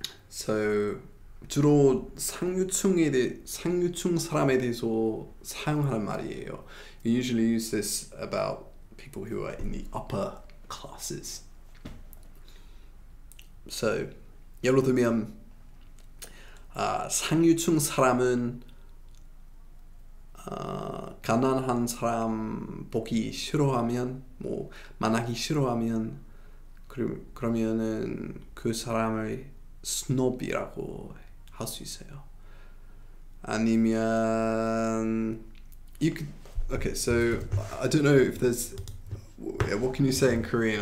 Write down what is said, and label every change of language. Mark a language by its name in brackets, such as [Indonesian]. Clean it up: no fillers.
[Korean] So 주로 상류층에 대 상류층 사람에 대해서 사용하는 말이에요. [English] You usually use this about people who are in the upper classes. [Korean] So 예를 들면 상류층 사람은 가난한 사람 보기 싫어하면 뭐 만나기 싫어하면 그러면은 그 사람을 스노비라고 할 수 있어요. 아니면 [English] you could, okay, so I don't know if there's what can you say in Korean?